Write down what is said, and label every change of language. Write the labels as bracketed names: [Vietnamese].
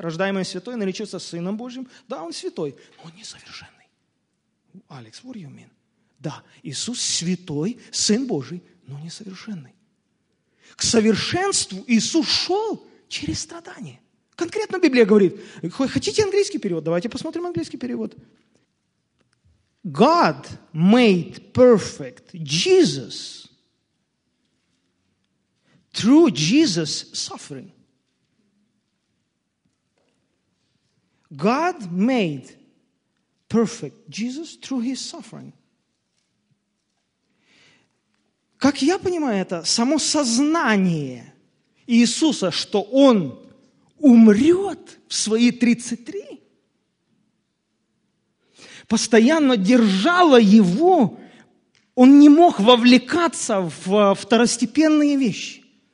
[Russian] Рождаемый святой, наречется Сыном Божьим. Да, он святой, но он несовершенный. Алекс, [English] what do you mean? [Russian] Да, Иисус святой, Сын Божий, но несовершенный. К совершенству Иисус шел через страдания. Конкретно Библия говорит. Хотите английский перевод? Давайте посмотрим английский перевод. [English] God made perfect Jesus through Jesus' suffering. God made perfect Jesus through his suffering. [Russian] Как я понимаю это, само сознание Иисуса, что Он умрет в свои 33, постоянно держало Его, Он не мог вовлекаться в второстепенные вещи.